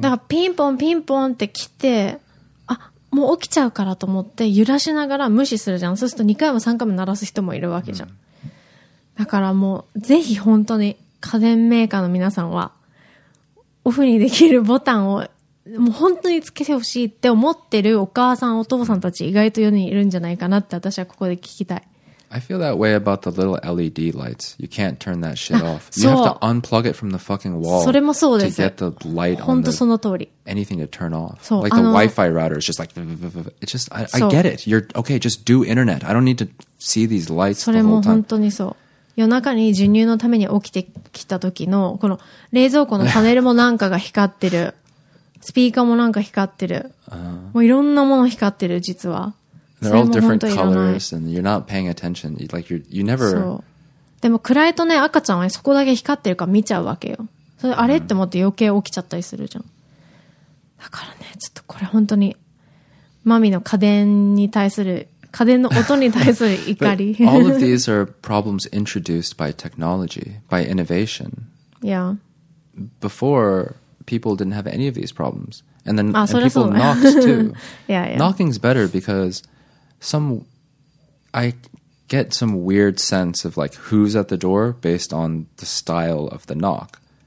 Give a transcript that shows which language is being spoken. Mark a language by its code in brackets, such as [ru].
[ja] だからピンポンピンポンって来て、あ、もう起きちゃうからと思って揺らしながら無視するじゃん。そうすると2回も3回も鳴らす人もいるわけじゃん。うん、だからもうぜひ本当に家電メーカーの皆さんはオフにできるボタンをもう本当につけてほしいって思ってるお母さんお父さんたち意外と世にいるんじゃないかなって私はここで聞きたい。 [en] I feel that way about the little LED lights. You can't turn that shit off. You have to unplug it from the fucking wall [ja] それもそうです [en] to get the light on anything to turn off. Like the Wi-Fi router is just like... It's just, I get it. You're, okay, just do internet. I don't need to see these lights the whole time. [ja] それも本当にそう。夜中に授乳のために起きてきた時のこの冷蔵庫のパネルもなんかが光ってる。スピーカーもなんか光ってる。もういろんなもの光ってる実は。 [en] They're all different colors and you're not paying attention. Like you never. [ja] そう。でも暗いとね、赤ちゃんはそこだけ光ってるから見ちゃうわけよ。それあれ、mm. って思って余計起きちゃったりするじゃん。だからね、ちょっとこれ本当にマミの家電に対する家電の音に対する怒り。 [en] all of these are problems introduced by technology, by innovation. Yeah. Before, people didn't have any of these problems. And then and people knocked too. yeah, yeah. Knocking's better because. I get some weird sense of like who's at the door based on the style of the knock.